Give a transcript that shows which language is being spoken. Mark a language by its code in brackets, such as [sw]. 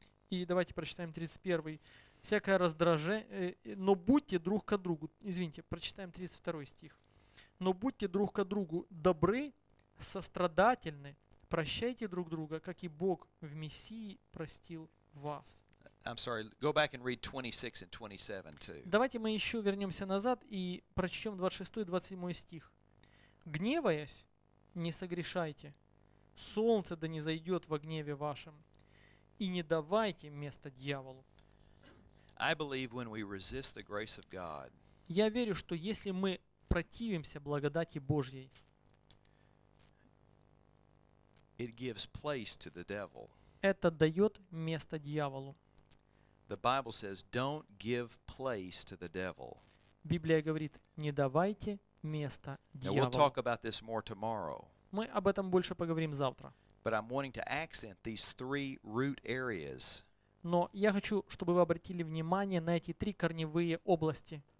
[ru] И давайте прочитаем 31. Всякое раздражение, но будьте друг к другу. Извините, прочитаем 32 стих. Но будьте друг к другу добры, сострадательны, прощайте друг друга, как и Бог в Мессии простил вас. [en] I'm sorry, go back and read 26 and 27 too. [ru] Давайте мы еще вернемся назад и прочтем 26 и 27 стих. Гневаясь, не согрешайте. Солнце да не зайдет во гневе вашем, и не давайте места дьяволу. [en] I believe when we resist the grace of God, [ru] я верю, что если мы противимся благодати Божьей, [en] it gives place to the devil. [ru] Это дает место дьяволу. [en] The Bible says, don't give place to the devil. [ru] Библия говорит, не давайте места дьяволу. [en] We'll talk about this more tomorrow. [ru] Мы об этом больше поговорим завтра. [en] But I'm wanting to accent these three root areas. [ru] Но я хочу, чтобы вы обратили внимание на эти три корневые области.